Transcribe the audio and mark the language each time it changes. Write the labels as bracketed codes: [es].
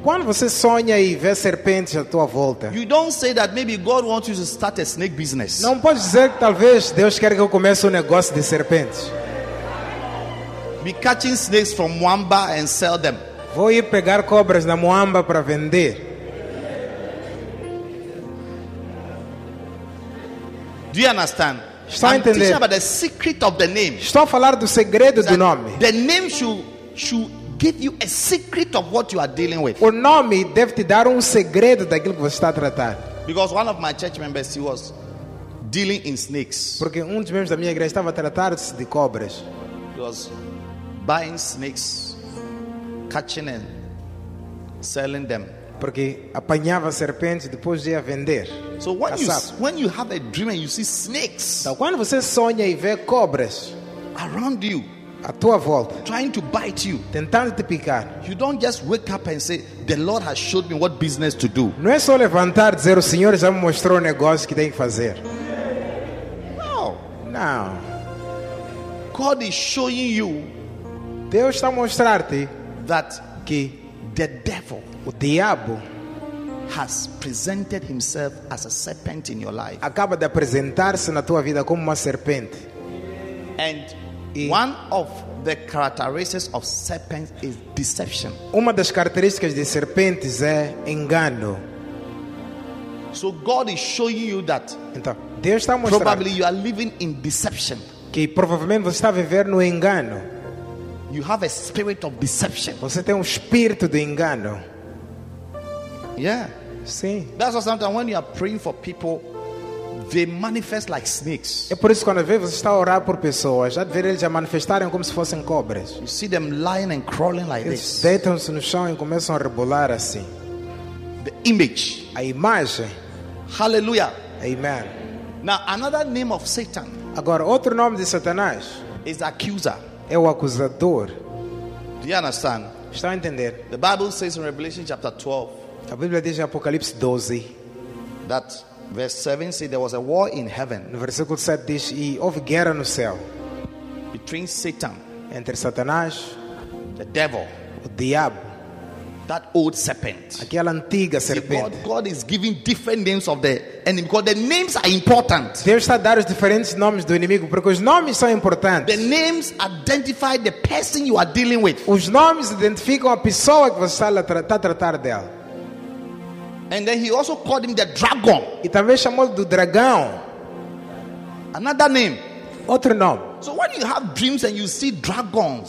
[pt] quando você sonha e vê serpentes à tua volta, [en] you don't say that maybe God wants you to start a snake business. [pt] Não pode dizer que talvez Deus quer que eu comece negócio de serpentes. [en] Be catching snakes from Muamba and sell them. [pt] Vou ir pegar cobras na Muamba para vender. [en] Do you understand? [pt] Está [en] I'm [pt] entender. [en] Teaching about the secret of the name. [pt] Estou a falar do segredo do nome. [en] The name should give you a secret of what you are dealing with. [pt] O nome deve te dar segredo daquilo que você está a tratar. [en] Because one of my church members, he was dealing in snakes. [pt] Porque dos membros da minha igreja estava a tratar de cobras. [en] He was buying snakes, catching and selling them. [pt] Porque apanhava serpentes e depois ia vender. [en] So when you have a dream and you see snakes, [pt] então, quando você sonha e vê cobras [en] around you, [pt] à tua volta, [en] trying to bite you, [pt] tentando te picar, [en] you don't just wake up and say the Lord has showed me what business to do. [pt] Não é só levantar e dizer o Senhor já me mostrou o negócio que tem que fazer. [en] Não. God is showing you. [pt] Deus está a mostrar-te [en] that [pt] que [en] the devil, [pt] o diabo, [en] has presented himself as a serpent in your life. [pt] Acaba de apresentar-se na tua vida como uma serpente. [en] And one of the characteristics of serpents is deception. [pt] Uma das características de serpentes é engano. [en] So God is showing you that. [pt] Então, Deus está mostrando. [en] Probably you are living in deception. [pt] Que provavelmente você está a viver no engano. [en] You have a spirit of deception. [pt] Você tem espírito de engano. [en] Yeah. [pt] Sim. [en] That's why sometimes when you are praying for people, they manifest like snakes. [pt] É por isso que quando você está a orar por pessoas, já ver eles a manifestarem como se fossem cobras. [en] You see them lying and crawling like [pt] eles [en] this. [pt] Eles deitam-se no chão e começam a rebolar assim. [en] The image. [pt] A imagem. [en] Hallelujah. Amen. Now another name of Satan. [pt] Agora outro nome de Satanás. [en] Is accuser. [pt] É o acusador. [en] Do you understand? [pt] Está a entender? [en] The Bible says in Revelation chapter 12. [pt] A Bíblia diz em Apocalipse 12. [en] That verse 7 says there was a war in heaven. [pt] No versículo 7 diz e houve guerra no céu. [en] Between Satan. [pt] Entre Satanás. [en] The devil. [pt] O diabo. [en] That old serpent. [pt] Aquela antiga serpente. [en] God is giving different names of the enemy because the names are important. [pt] Deus está a dar os diferentes nomes do inimigo porque os nomes são importantes. [en] The names identify the person you are dealing with. [pt] Os nomes identificam a pessoa que você está a tratar dela. [en] And then he also called him the dragon. [pt] E também chamou-lhe do dragão. [en] Another name. [pt] Outro nome. [en] So when you have dreams and you see dragons.